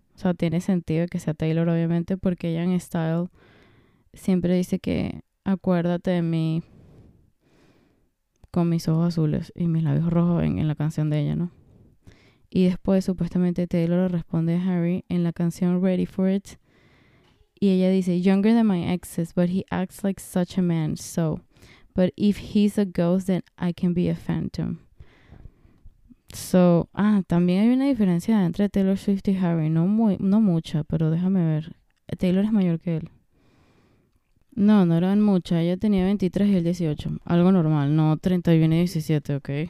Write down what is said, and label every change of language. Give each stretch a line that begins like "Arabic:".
Spanish: O sea, tiene sentido que sea Taylor, obviamente, porque ella en Style siempre dice que acuérdate de mí con mis ojos azules y mis labios rojos en la canción de ella, ¿no? Y después, supuestamente, Taylor le responde a Harry en la canción Ready for It. Y ella dice,
English: Younger than my exes, but he acts like such a man, so. But if he's a ghost, then I can be a phantom.
Spanish: So, también hay una diferencia entre Taylor Swift y Harry, no mucha, pero déjame ver. Taylor es mayor que él. No eran muchas, ella tenía 23 y él 18, algo normal, no 31 y 17, ok.